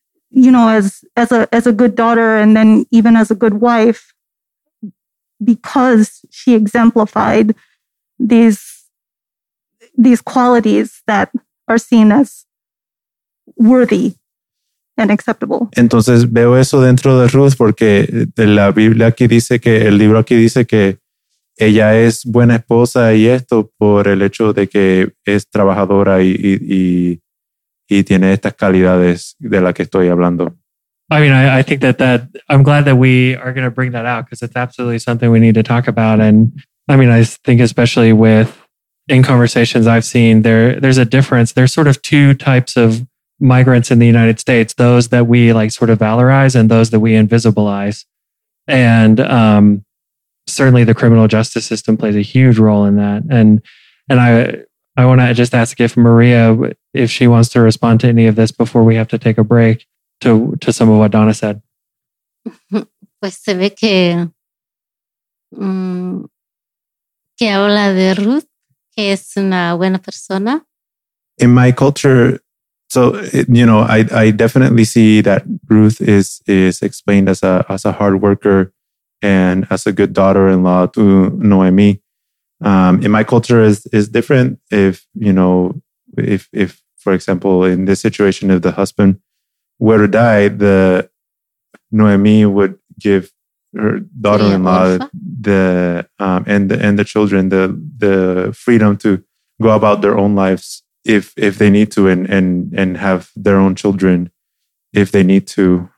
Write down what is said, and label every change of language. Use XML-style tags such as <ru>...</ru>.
<en>you know, as a good daughter and then even as a good wife, because she exemplified these qualities that are seen as worthy and acceptable.</en> <es>Entonces veo eso dentro de Ruth porque de la Biblia aquí dice que el libro aquí dice que ella es buena esposa y esto por el hecho de que es trabajadora y tiene estas calidades de las que estoy hablando.</es> <en>I mean, I think that I'm glad that we are going to bring that out because it's absolutely something we need to talk about. And I mean, I think especially with in conversations I've seen, there's a difference. There's sort of two types of migrants in the United States, those that we like sort of valorize and those that we invisibilize. And certainly the criminal justice system plays a huge role in that. And I want to just ask if Maria, if she wants to respond to any of this before we have to take a break. To some of what Donna said.</en> <es>Pues se ve que que habla de Ruth, que es una buena persona.</es> <en>In my culture, so you know, I definitely see that Ruth is explained as a hard worker and as a good daughter-in-law to Noemi. In my culture is different. If you know, if for example, in this situation, if the husband were to die, the Noemi would give her daughter-in-law the children the freedom to go about their own lives if they need to and have their own children if they need to.</en>